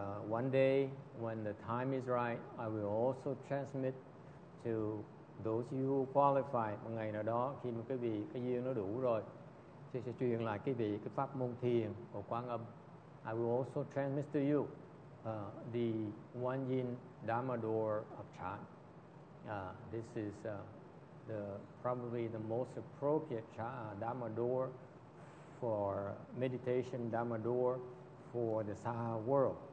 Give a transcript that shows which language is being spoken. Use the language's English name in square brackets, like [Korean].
[English] One day when the time is right, I will also transmit to those you qualify. [Vietnamese] Một ngày nào đó khi mà quý vị cái duyên nó đủ rồi, thì sẽ truyền lại quý vị cái pháp môn thiền của Quán Âm. [English] I will also transmit to you the one yin dharma door of chan. This is probably the most appropriate dharma door for meditation, dharma door for the saha world.